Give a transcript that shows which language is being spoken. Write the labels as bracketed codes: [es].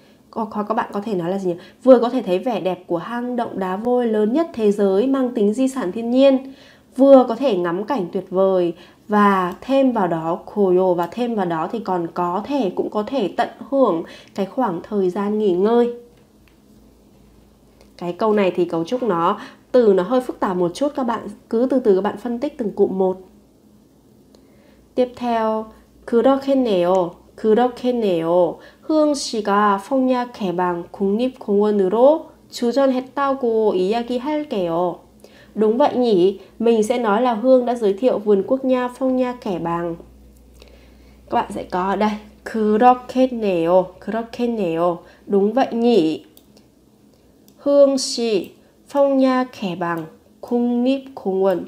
[vi] Có các bạn có thể nói là gì nhỉ? Vừa có thể thấy vẻ đẹp của hang động đá vôi lớn nhất thế giới mang tính di sản thiên nhiên, vừa có thể ngắm cảnh tuyệt vời và thêm vào đó [ko] 고요 [vi] và thêm vào đó thì còn có thể cũng có thể tận hưởng cái khoảng thời gian nghỉ ngơi. Cái câu này thì cấu trúc nó từ nó hơi phức tạp một chút, các bạn cứ từ từ các bạn phân tích từng cụm một. Tiếp theo [ko] 그렇겠네요. 그렇겠네요. 흥 씨가 성냥 개방 국립공원으로 추천했다고 이야기할게요. [vi] Đúng vậy nhỉ? Mình sẽ nói là Hương đã giới thiệu vườn quốc gia Phong Nha Kẻ Bàng. Các bạn sẽ có ở đây [ko] 그렇겠네요. 그렇겠네요. [vi] Đúng vậy nhỉ? Hương xì Phong Nha Kẻ Bàng 국립공원.